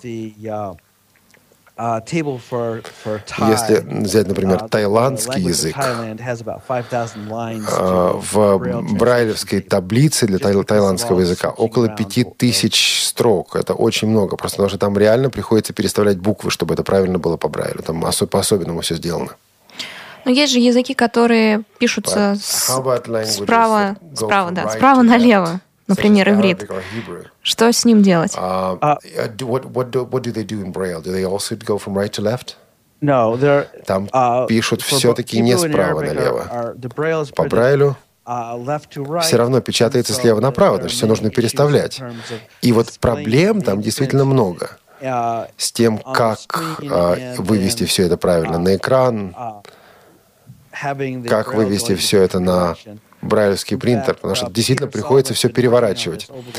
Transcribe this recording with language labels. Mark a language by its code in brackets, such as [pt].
[ru] Если взять, например, тайландский язык, в брайлевской таблице для тайландского языка около 5000 строк. Это очень много, просто потому что там реально приходится переставлять буквы, чтобы это правильно было по Брайлю. Там по-особенному все сделано. Но есть же языки, которые пишутся справа налево. Например, иврит. Что с ним делать? [en] What do they do in Braille? Do they also go from right to left? No, there. [ru] Там пишут все-таки не справа налево. По Брайлю все равно печатается слева направо, значит, все нужно переставлять. И вот проблем там действительно много. с тем, как вывести все это правильно на экран, как вывести все это на брайлевский принтер, потому что действительно приходится все переворачивать.